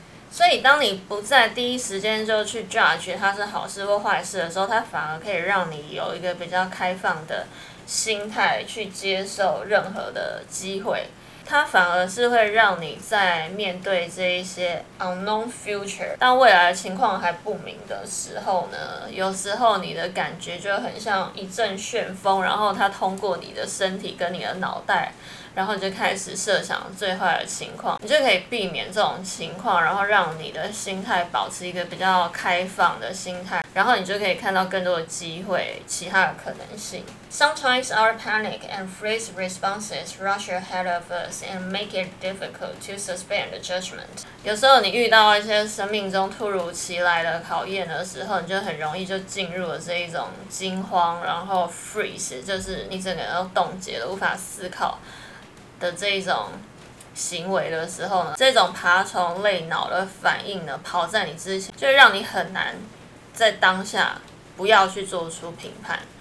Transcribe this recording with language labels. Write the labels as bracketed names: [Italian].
[Chinese] 所以当你不在第一时间就去 judge 它是好事或坏事的时候，它反而可以让你有一个比较开放的心态去接受任何的机会，它反而是会让你在面对这一些 unknown future 当未来的情况还不明的时候呢，有时候你的感觉就很像一阵旋风，然后它通过你的身体跟你的脑袋，然后就开始设想最坏的情况，你就可以避免这种情况，然后让你的心态保持一个比较开放的心态，然后你就可以看到更多的机会，其他的可能性。 [English] Sometimes our panic and freeze responses rush ahead of us and make it difficult to suspend judgment. [Chinese] 有时候你遇到一些生命中突如其来的考验的时候，你就很容易就进入了这一种惊慌，然后 freeze 就是你整个人都冻结了，无法思考的这一种行为的时候呢，这种爬虫类脑的反应呢，跑在你之前，就让你很难在当下不要去做出评判。